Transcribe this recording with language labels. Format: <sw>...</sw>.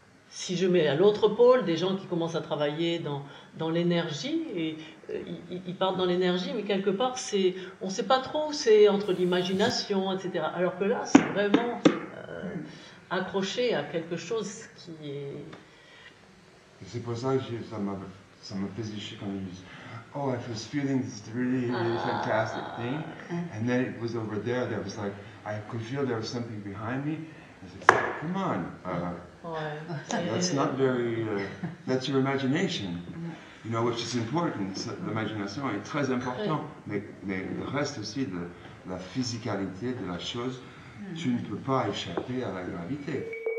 <fr>Si je mets à l'autre pôle des gens qui commencent à travailler dans l'énergie, et ils partent dans l'énergie, mais quelque part, c'est, on ne sait pas trop où c'est, entre l'imagination, etc. Alors que là, c'est vraiment accroché à quelque chose qui est... C'est pour ça que ça m'a plaisé quand ils disent...</fr> <en>Oh, I was feeling this really, really fantastic thing. And then it was over there, there was like, I could feel there was something behind me. I said, come on, that's not very, that's your imagination. You know, which is important,</en> <fr>l'imagination est très important. Mais le reste aussi, de la physicalité de la chose, tu ne peux pas échapper à la gravité.</fr>